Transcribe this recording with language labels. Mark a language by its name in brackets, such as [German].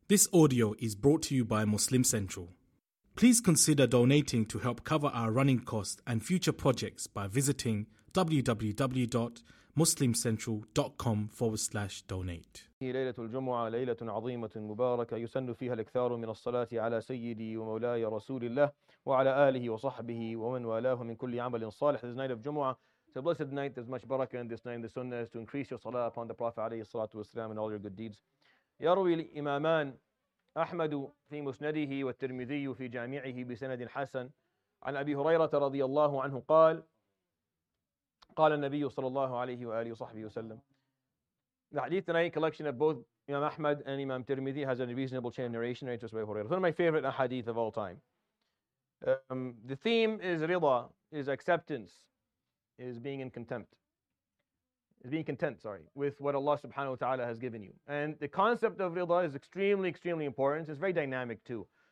[English] This audio is brought to you by Muslim Central. Please consider donating to help cover our running costs and future projects by visiting www.muslimcentral.com/donate. [Arabic] ليلة الجمعة ليلة عظيمة مباركة يسن فيها الاكثار من الصلاة على سيدي ومولاي رسول الله وعلى آله وصحبه ومن والاه من كل عمل صالح. [English] This night of Jumu'ah, it's a blessed night. There's much barakah in this night. The sunnah is to increase your salah upon the Prophet [Arabic] عليه الصلاة والسلام [English] and all your good deeds. [Arabic] يروي الإمامان أحمد في مسنده والترمذي في جامعه بسند حسن عن أبي هريرة رضي الله عنه قال قال النبي صلى الله عليه وآله وصحبه وسلم. [English] The hadith tonight, collection of both Imam Ahmad and Imam Tirmidhi, has a reasonable chain of narration right to Abu Hurairah. It's one of my favorite hadith of all time. The theme is rida, is acceptance, is being in contempt. Is being content, sorry, with what Allah subhanahu wa ta'ala has given you. And the concept of rida is extremely, extremely important. It's very dynamic too.